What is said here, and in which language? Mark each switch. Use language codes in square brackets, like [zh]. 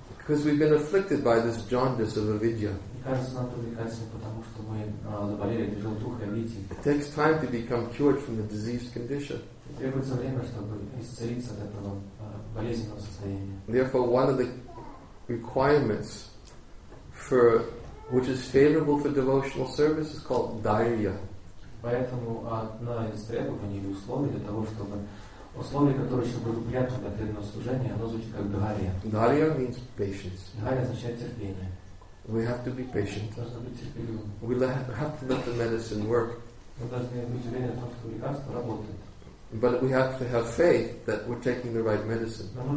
[en] Because we've been afflicted by this jaundice of avidya. It takes time to become cured from the diseased condition. Therefore, one of the requirements for which is favorable for devotional service is called dhairya. [ru] Поэтому одна из требований или условий для того, чтобы условие, которое еще будет приятно для преданного служения, оно звучит как дхария. Дхария means patience. Дхария означает терпение. [en] We have to be patient. [ru] Мы должны быть терпеливыми. [en] We have to let the medicine work. [ru] Мы должны быть уверены в том, что лекарство работает. [en] But we have to have faith that we're taking the right medicine.